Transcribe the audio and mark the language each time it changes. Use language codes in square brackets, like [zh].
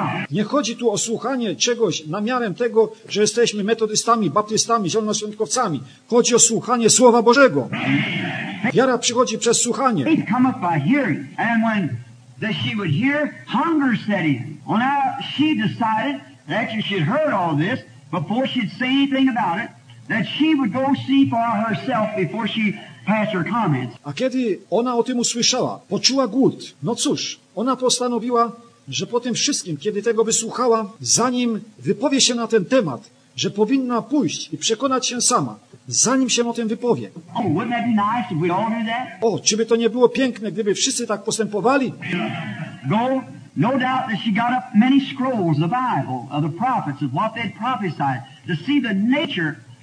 [pl] Nie chodzi tu o słuchanie czegoś na miarę tego, że jesteśmy metodystami, baptystami, zielonoświątkowcami. Chodzi o słuchanie Słowa Bożego. Wiara przychodzi przez słuchanie. [en] Faith cometh by hearing. And when that she would hear, hunger set in. Well, now she decided that she should hear all this before she'd say anything about it. That she would go see for herself before she passed her comments. [pl] A kiedy ona o tym usłyszała, poczuła głód. No cóż, ona postanowiła, że po tym wszystkim, kiedy tego wysłuchała, zanim wypowie się na ten temat, że powinna pójść i przekonać się sama, zanim się o tym wypowie. [en] Oh, wouldn't that be nice if we all knew that? [pl] O, czy by to nie było piękne, gdyby wszyscy tak postępowali? [en] Go. No doubt that she got up many scrolls, the Bible, of the prophets, of what they'd prophesied, to see the nature.